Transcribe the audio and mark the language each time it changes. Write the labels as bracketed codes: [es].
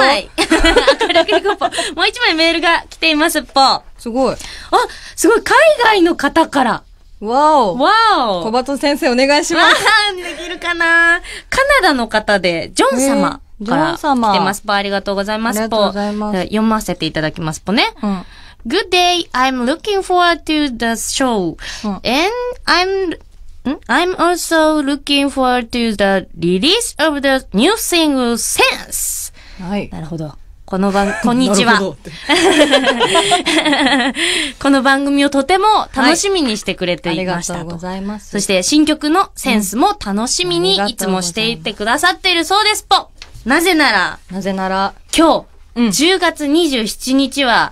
[ja] もう一枚明るくいこうっぽ、もう一枚メールが来ていますっぽ。すごい、あ、すごい、海外の方から、わお、わお、小畑先生お願いします。できるかな。カナダの方でジョン様、から来てますぽ。ありがとうございますぽ。読ませていただきますぽね、うん。 [en] Good day, I'm looking forward to the show.、うん、And I'm also looking forward to the release of the new single Sense. [ja] はい、なるほど。この番、こんにちは。この番組をとても楽しみにしてくれていましたと、はい。ありがとうございます。そして新曲のセンスも楽しみにいつもしていてくださっているそうですぽ。なぜなら、なぜなら、今日、10月27日は、